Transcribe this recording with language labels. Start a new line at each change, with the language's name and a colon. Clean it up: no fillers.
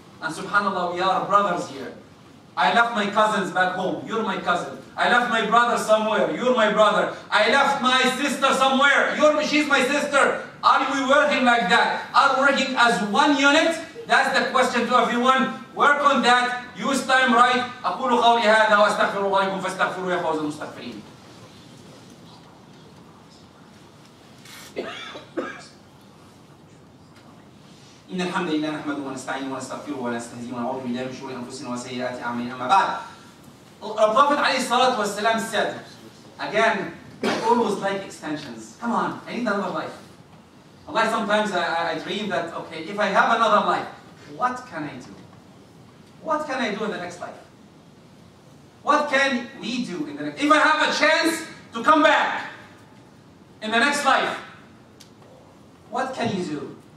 English: And subhanAllah, we are brothers here. I left my cousins back home. You're my cousin. I left my brother somewhere. You're my brother. I left my sister somewhere. She's my sister. Are we working like that? Are we working as one unit? That's the question to everyone. Work on that. Use time right.
Arabic: أقول قولي هذا وأستغفر الله لكم فاستغفروا يا فوز المستغفرين. إن الحمد لله نحمده ونستعينه ونستغفره ونستهديه ونعوذ بالله من شرور أنفسنا وسيئات أعمالنا. أما بعد، الرسول عليه الصلاة والسلام
English: said, again, I always like extensions. Come on, I need another life. Allah, sometimes I dream that, okay, if I have another life, what can I do? What can I do in the next life? What can we do in the next life? If I have a chance to come back in the next life, what can you do?